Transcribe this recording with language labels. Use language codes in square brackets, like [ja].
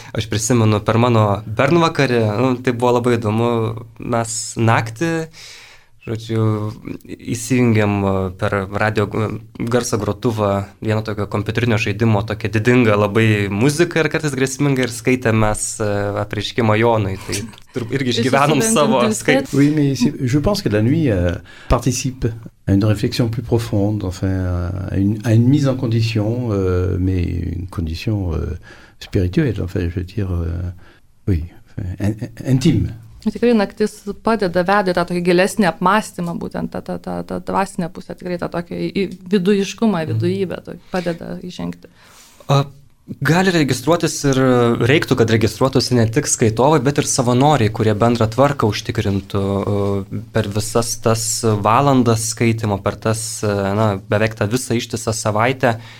[lt] Aš prisimenu per mano bernvakarį, tai buvo labai įdomu, mes naktį, žodžiu, įsijungiam per radio garso grotuvą vieno tokio kompiuterinio žaidimo tokia didinga labai muzika ir kartais grėsminga ir skaitėmės apreiškimo Jonui, tai irgi išgyvenom savo skaitimą. [fr] Oui, mais je pense que la nuit participe à une réflexion plus profonde, enfin à une mise en condition, mais une condition spirituelle, enfin je veux dire, oui, intime. [lt] Tikrai naktis padeda vedė tą tokį gilesnį apmąstymą, būtent tą dvasinę pusę, tikrai tą tokį viduiškumą, viduybę padeda įžengti. Gali registruotis ir reiktų, kad registruotųsi ne tik skaitovai, bet ir savanoriai, kurie bendrą tvarką užtikrintų per visas tas valandas skaitimo, per tas, na, beveik tą visą ištisą savaitę.